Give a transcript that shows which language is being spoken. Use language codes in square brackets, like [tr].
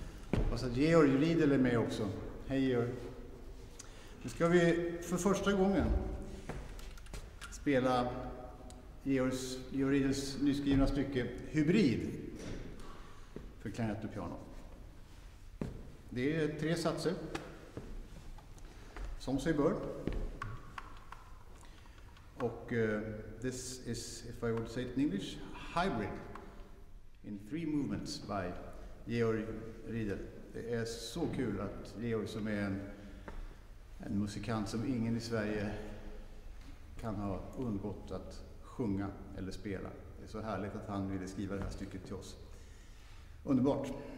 [sv] Hoppas att Georg Riedel är med också. Hej Georg! Nu ska vi för första gången spela Georg Riedels nyskrivna stycke Hybrid för klarinett och piano. Det är tre satser, som sig bör. [en] Och this is, if I would say it in English, hybrid in three movements by Georg Riedel. [sv] Det är så kul att Georg, som är en musikant som ingen i Sverige kan ha undgått att sjunga eller spela. Det är så härligt att han ville skriva det här stycket till oss. Underbart!